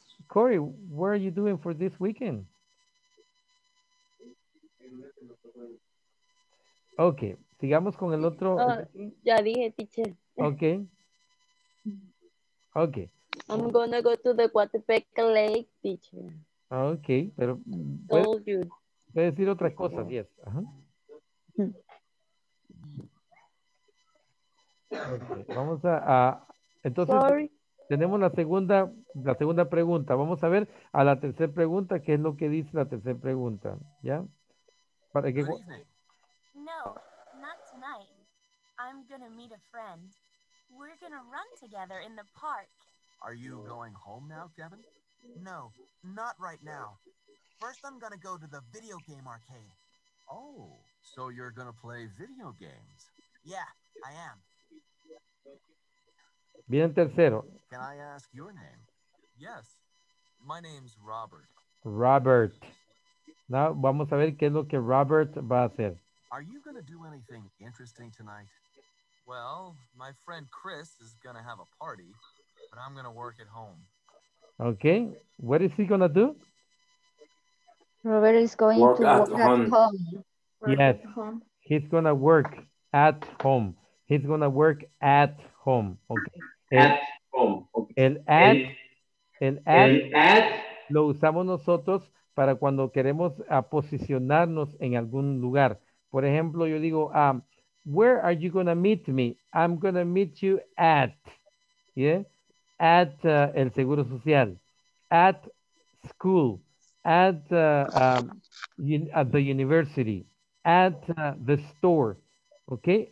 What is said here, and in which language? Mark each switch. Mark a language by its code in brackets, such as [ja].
[en] Corey, where are you doing for this weekend? Okay. [es] Sigamos con el otro. Ya dije, teacher. [en] Okay. Okay. I'm gonna go to the Guatepec Lake, teacher. Okay, [es] pero voy a decir otra cosa, yes. Uh-huh. [en] Okay. [es] Vamos a entonces sorry. Tenemos la segunda pregunta. Vamos a ver a la tercera pregunta, qué es lo que dice la tercera pregunta, ¿ya? Para que [en] no. I'm going to meet a friend. We're going to run together in the park. Are you going home now, Kevin? No, not right now. First, I'm going to go to the video game arcade. Oh, so you're going to play video games? Yeah, I am. Bien, tercero. Can I ask your name? Yes, my name's Robert. Robert. Now, [es] vamos a ver qué es lo que Robert va a hacer. [en] Are you going to do anything interesting tonight? Well, my friend Chris is going to have a party, but I'm going to work at home. Okay. What is he going to do? Robert is going to work at home. Yes. At home. He's going to work at home. He's going to work at home. Okay. At home. Okay. [es] El at lo usamos nosotros para cuando queremos posicionarnos en algún lugar. Por ejemplo, yo digo, [en] where are you going to meet me? I'm going to meet you at, yeah, at el Seguro Social, at school, at at the university, at the store, okay?